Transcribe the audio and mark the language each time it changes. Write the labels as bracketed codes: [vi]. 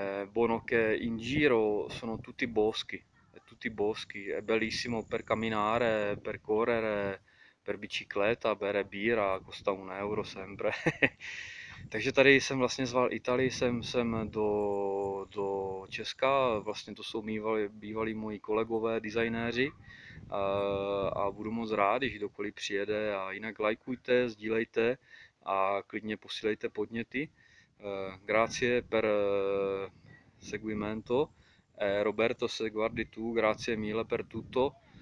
[it] Buono che in giro sono tutti boschi, tutti boschi. È bellissimo per camminare, per correre, per bicicletta, bere birra, costa 1 euro sempre. [cs] Takže tady jsem vlastně zval Italii sem do Česka, vlastně to jsou bývalí moji kolegové, designéři, a budu moc rád, když kdokoliv přijede, a jinak lajkujte, sdílejte a klidně posílejte podněty. [it] Grazie per seguimento, Roberto, se guardi tu, grazie mille per tutto.